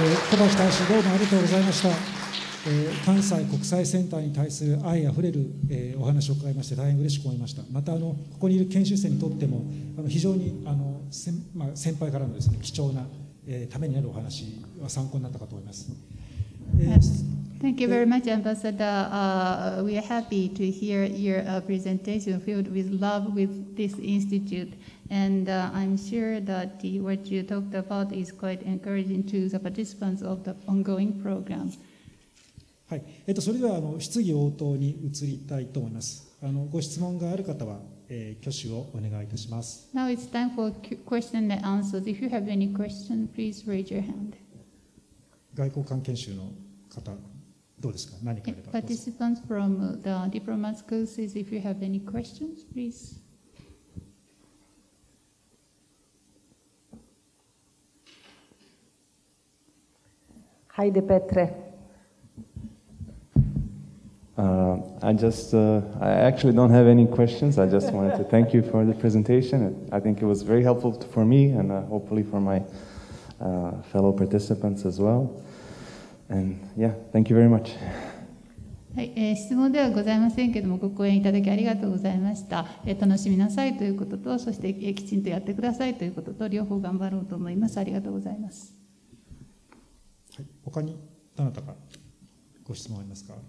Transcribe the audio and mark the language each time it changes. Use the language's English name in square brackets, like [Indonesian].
[Japanese] 小橋大使、どうもありがとうございました。関西国際センターに対する愛あふれるお話を伺いまして大変嬉しく思いました。またここにいる研修生にとっても非常に先輩からのですね、貴重なためになるお話は参考になったかと思います。 [English] Thank you very much, Ambassador. We are happy to hear your presentation filled with love with this institute. And I'm sure that what you talked about is quite encouraging to the participants of the ongoing program. [Japanese] はい、それでは質疑応答に移りたいと思います。ご質問がある方は、挙手をお願いいたします。 [English] Now it's time for question and answers. If you have any question, please raise your hand. [Japanese] 外交官研修の方どうですか、何かあれば。 [English] Participants from the diplomat schools, if you have any questions, please. [Japanese] はい、デペトレ。 [English] I actually don't have any questions. I just wanted to thank you for the presentation. I think it was very helpful for me and hopefully for my fellow participants as well. And yeah, thank you very much. [Japanese] はい、質問ではございませんけれども、ご講演いただきありがとうございました。楽しみなさいということと、そしてきちんとやってくださいということと、両方頑張ろうと思います。ありがとうございます。はい、他にどなたか。ご質問ありますか?